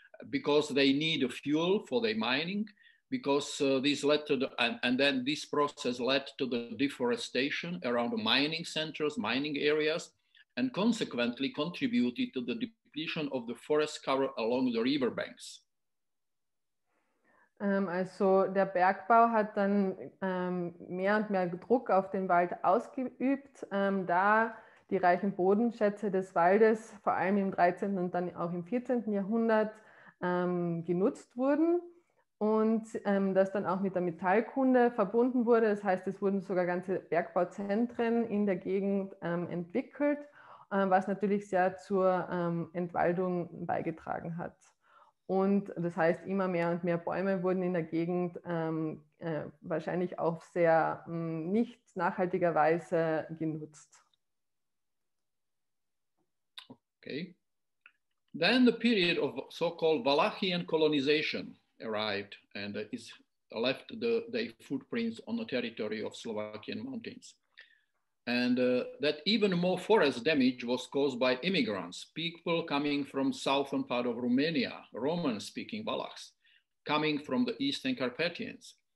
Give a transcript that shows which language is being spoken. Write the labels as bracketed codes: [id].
[en] Because they need fuel for their mining, because this led to this process led to the deforestation around the mining centers, mining areas, and consequently contributed to the of the forest cover along the riverbanks. [de] Also der Bergbau hat dann mehr und mehr Druck auf den Wald ausgeübt, da die reichen Bodenschätze des Waldes vor allem im 13. und dann auch im 14. Jahrhundert genutzt wurden und das dann auch mit der Metallkunde verbunden wurde. Das heißt, es wurden sogar ganze Bergbauzentren in der Gegend entwickelt, was natürlich sehr zur Entwaldung beigetragen hat. Und das heißt, immer mehr und mehr Bäume wurden in der Gegend wahrscheinlich auch sehr nicht nachhaltiger Weise genutzt. [en] Okay. Then the period of so-called Wallachian colonization arrived and is left the footprints on the territory of Slovakian mountains. And that even more forest damage was caused by immigrants, people coming from southern part of Romania, Roman-speaking Valachs, coming from the eastern Carpathians.